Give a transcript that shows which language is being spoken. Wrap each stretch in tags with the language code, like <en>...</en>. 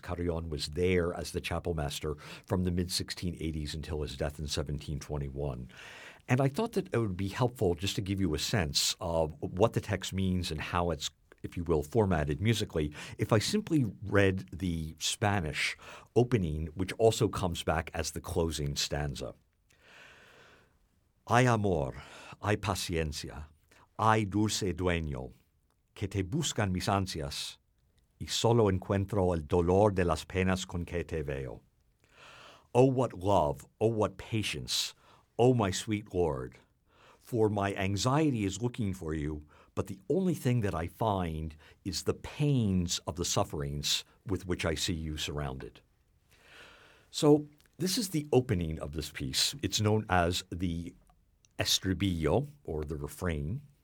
<en>Carrión was there as the chapel master from the mid-1680s until his death in 1721. And I thought that it would be helpful just to give you a sense of what the text means and how it's, if you will, formatted musically, if I simply read the Spanish opening, which also comes back as the closing stanza.</en> <es>Ay amor, ay paciencia, ay dulce dueño, que te buscan mis ansias, y solo encuentro el dolor de las penas con que te veo.</es> <en>Oh, what love, oh, what patience, oh, my sweet Lord, for my anxiety is looking for you, but the only thing that I find is the pains of the sufferings with which I see you surrounded. So this is the opening of this piece. It's known as the estribillo, or the refrain.</en>